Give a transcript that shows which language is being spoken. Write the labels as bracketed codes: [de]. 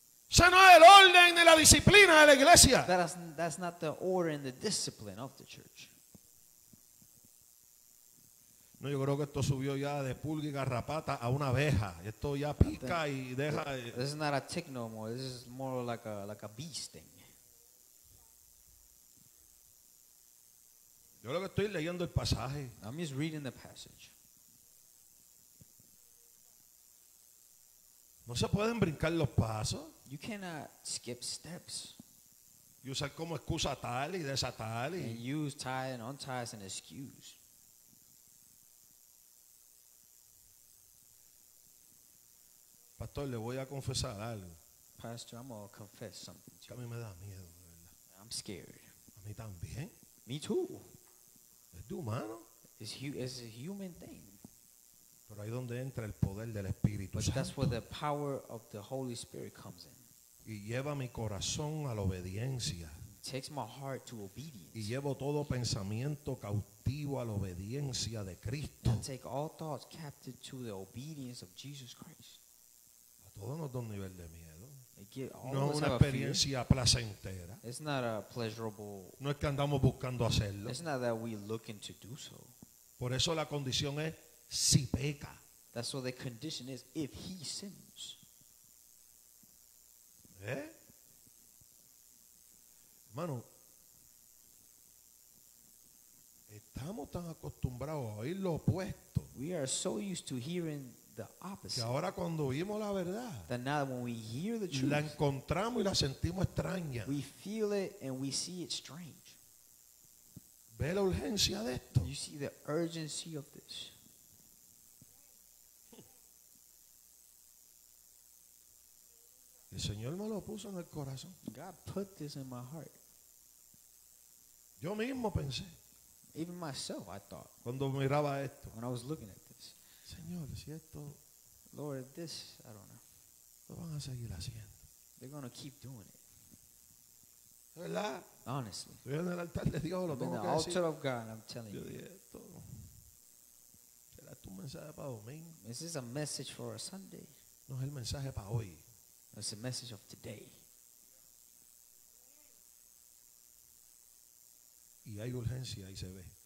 [es] Ese no es el orden ni la disciplina de la iglesia. [en] That's not the order and the discipline of the church. [es] No, yo creo que esto subió ya de pulga y garrapata a una abeja. Esto ya pica y deja. [en] This is not a tick no more. This is more like a bee sting. [es] Yo lo que estoy leyendo el pasaje. [en] I'm just reading the passage. [es] No se pueden brincar los pasos. [en] You cannot skip steps. [es] Y usar como excusa tal y desatar y. [en] And use tie and untie as an excuse. [es] Pastor, le voy a confesar algo. [en] Pastor, I'm gonna confess something to you. [es] A mí me da miedo, de verdad. [en] I'm scared. [es] A mí también. [en] Me too. [es] Es de humano. [en] It's a human thing. [es] Pero ahí donde entra el poder del Espíritu Santo. [en] But that's where the power of the Holy Spirit comes in. [es] Y lleva mi corazón a la obediencia. [en] Takes my heart to obedience. [es] Y llevo todo pensamiento cautivo a la obediencia de Cristo. [en] And I take all thoughts captive to the obedience of Jesus Christ. [es] Todos nos da un nivel de miedo. No es una experiencia placentera. [en] It's not a pleasurable. [es] No es que andamos buscando hacerlo. [en] It's not that we're looking to do so. [es] Por eso la condición es si peca. [en] That's what the condition is if he sins. ¿Eh? [es] Hermano, estamos tan acostumbrados a oír lo opuesto. [en] We are so used to hearing the opposite. [es] Que ahora cuando oímos la verdad, [en] that now when we hear the truth, [es] la encontramos y la sentimos extraña. [en] We feel it and we see it strange. [es] Ve la urgencia de esto. [en] You see the urgency of this. [es] El Señor me lo puso en el corazón. [en] God put this in my heart. [es] Yo mismo pensé. [en] Even myself, I thought. [es] Cuando miraba esto. [en] When I was looking at this. [es] Señor, si esto, [en] Lord, this, I don't know. [es] Lo van a seguir haciendo. [en] They're going to keep doing it. [es] ¿Verdad? [en] Honestly. [es] Estoy en el altar de Dios, lo tengo que decir. [en] In the altar of God, I'm telling you. [es] Yo dije esto. ¿Será tu mensaje para domingo? [en] This is a message for a Sunday. [es] No es el mensaje para hoy. [en] It's a message of today. [es] Y hay urgencia y se ve.